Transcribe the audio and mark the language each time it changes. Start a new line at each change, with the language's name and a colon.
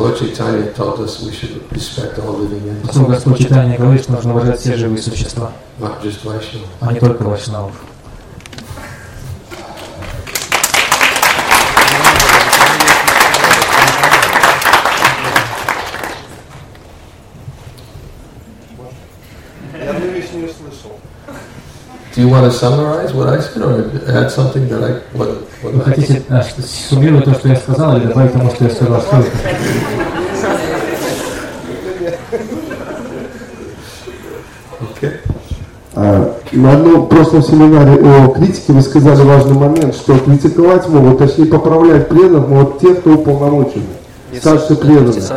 English: Lord Chaitanya taught us we should respect all living entities.
Russian: Поскольку Господь Чайтанья говорит, что нужно уважать все живые существа.
English: Not just Vaishnavas.
Russian: А не только Вайшнавов.
English: Do you want to summarize what I said, or add something that I what? You
Russian: хотите суммировать то, что я сказал, или добавить тому, что я сказал? На одном прошлом семинаре о критике вы сказали важный момент, что критиковать могут, точнее поправлять пленных могут те, кто уполномочен, старший пленный.